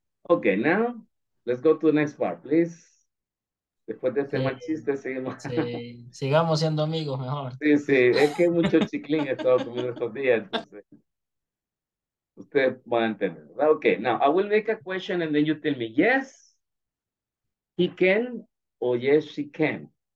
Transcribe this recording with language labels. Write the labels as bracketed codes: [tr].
[en] Okay, now let's go to the next part, please. [es] Después de ese mal chiste, seguimos. Sí, sigamos siendo amigos mejor. Sí, sí, es que mucho chiclín he estado comiendo estos días. Entonces. Ustedes van a entender, ¿verdad? [en] Ok, now, I will make a question and then you tell me, yes, he can, o yes, she can.